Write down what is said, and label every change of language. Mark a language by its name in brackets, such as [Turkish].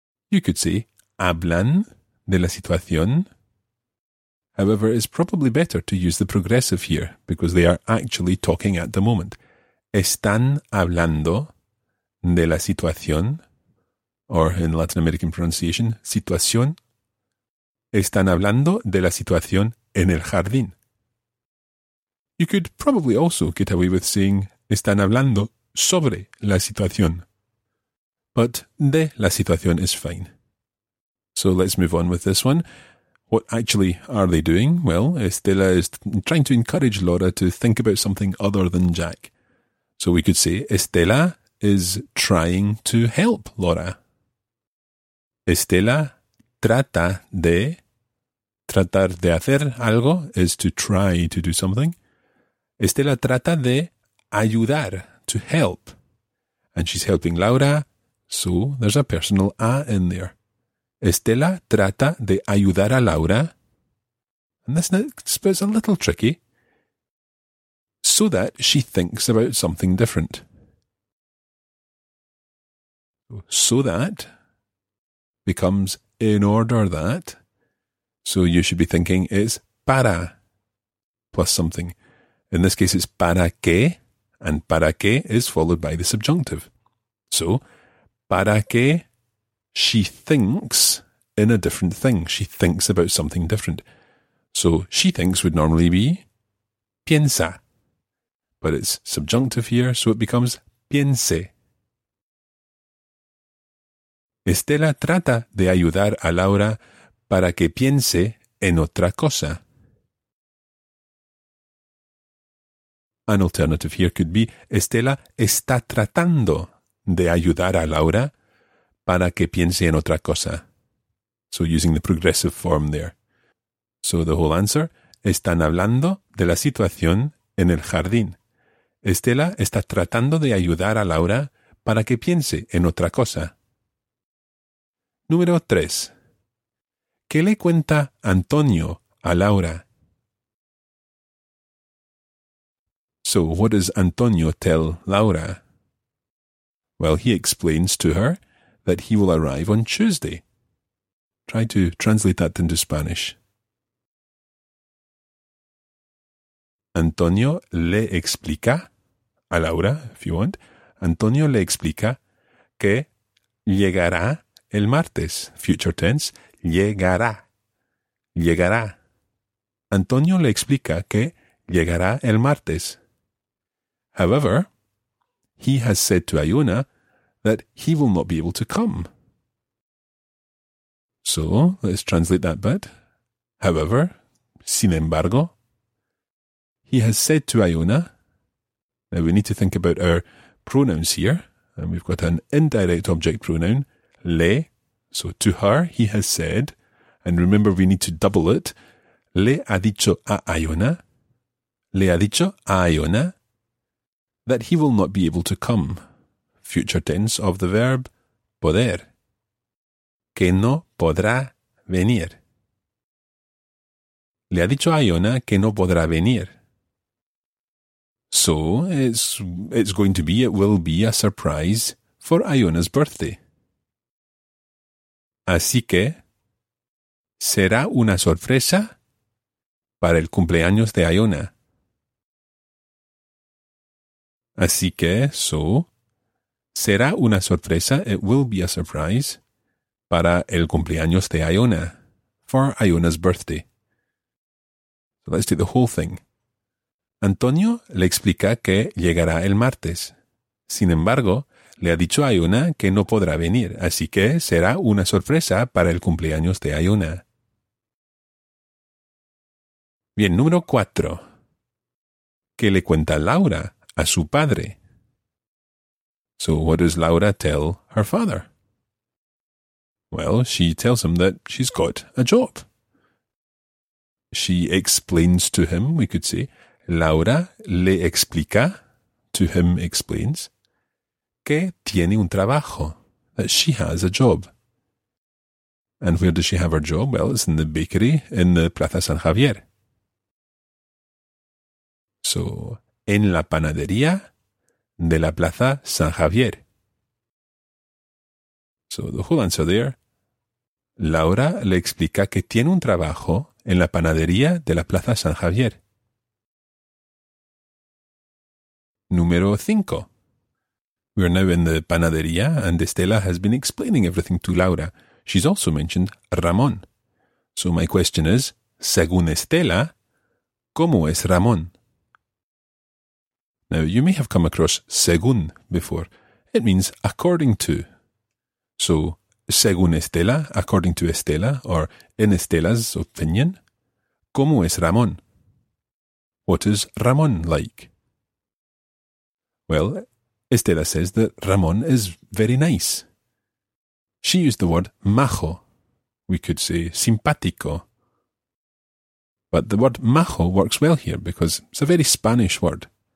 [English] You could say, [Spanish] hablan de la situación. [English] However, it's probably better to use the progressive here because they are actually talking at the moment. [Spanish] Están hablando de la situación, [English] or in Latin American pronunciation, [Spanish] situación. Están hablando de la situación en el jardín. [English] You could probably also get away with saying, [Spanish] están hablando sobre la situación. [English] But [Spanish] de la situación [English] is fine. So let's move on with this one. What actually are they doing? Well, Estela is trying to encourage Laura to think about something other than Jack. So we could say Estela is trying to help Laura. [Spanish] Estela trata de. Tratar de hacer algo [English] is to try to do something. [Spanish] Estela trata de ayudar, to help. [English] And she's helping Laura, so there's a personal A in there. [Spanish] Estela trata de ayudar a Laura. [English] And this next bit's a little tricky. So that she thinks about something different. So that becomes in order that. So you should be thinking it's para plus something. In this case it's [Spanish] para qué. [English] And para qué is followed by the subjunctive. So, [Spanish] para qué. [English] She thinks in a different thing. She thinks about something different. So she thinks would normally be piensa. But it's subjunctive here, so it becomes piense. [Spanish] Estela trata de ayudar a Laura para que piense en otra cosa. [English] An alternative here could be [Spanish] Estela está tratando de ayudar a Laura para que piense en otra cosa. [English] So using the progressive form there. [Spanish] So the whole answer, están hablando de la situación en el jardín. Estela está tratando de ayudar a Laura para que piense en otra cosa. Número 3. ¿Qué le cuenta Antonio a Laura? [English] So what does Antonio tell Laura? Well, he explains to her that he will arrive on Tuesday. Try to translate that into Spanish. [Spanish] Antonio le explica a Laura, [English] if you want. [Spanish] Antonio le explica que llegará el martes. [English] Future tense, llegará. Llegará. [Spanish] Antonio le explica que llegará el martes. [English] However, he has said to Iona that he will not be able to come. So, let's translate that bit. However, [Spanish] sin embargo, [English] he has said to Iona. Now we need to think about our pronouns here. And we've got an indirect object pronoun, le. So to her, he has said. And remember, we need to double it. [Spanish] Le ha dicho a Iona. Le ha dicho a Iona. [English] That he will not be able to come. Future tense of the verb poder. [Spanish] Que no podrá venir. Le ha dicho a Iona que no podrá venir. [English] So, it's going to be, it will be a surprise for Iona's birthday. [Spanish] Así que, será una sorpresa para el cumpleaños de Iona. Así que, [English] so, [Spanish] será una sorpresa, [English] it will be a surprise, [Spanish] para el cumpleaños de Iona, [English] for Iona's birthday. So let's take the whole thing. [Spanish] Antonio le explica que llegará el martes. Sin embargo, le ha dicho a Iona que no podrá venir, así que será una sorpresa para el cumpleaños de Iona. Bien, número 4. ¿Qué le cuenta Laura a su padre? [English] So what does Laura tell her father? Well, she tells him that she's got a job. She explains to him, we could say, [Spanish] Laura le explica, [English] to him explains, [Spanish] que tiene un trabajo, [English] that she has a job. And where does she have her job? Well, it's in the bakery in the Plaza San Javier. [Spanish] So, en la panadería de la Plaza San Javier. [English] So, the whole answer there. [Spanish] Laura le explica que tiene un trabajo en la panadería de la Plaza San Javier. Número 5. [English] We are now in the panadería and Estela has been explaining everything to Laura. She's also mentioned Ramón. So my question is, [Spanish] según Estela, ¿cómo es Ramón? [English] Now you may have come across según before. It means according to. So, [Spanish] según Estela, [English] according to Estela, or in Estela's opinion, [Spanish] ¿cómo es Ramón? [English] What is Ramón like? Well, Estela says that Ramón is very nice. She used the word majo. We could say simpático. But the word majo works well here because it's a very Spanish word.